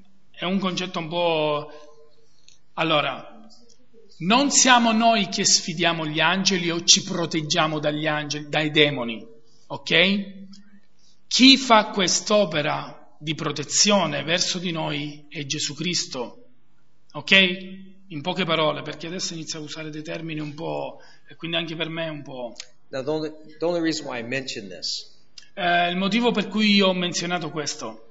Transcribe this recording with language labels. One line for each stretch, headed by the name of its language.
Italian: È un concetto un po'... Allora, non siamo noi che sfidiamo gli angeli o ci proteggiamo dagli angeli, dai demoni, ok? Chi fa quest'opera di protezione verso di noi è Gesù Cristo, ok? In poche parole, perché adesso inizio a usare dei termini un po', e quindi anche per me un po'.
English: Now, the only reason why I mention this.
Italian: Il motivo per cui io ho menzionato questo.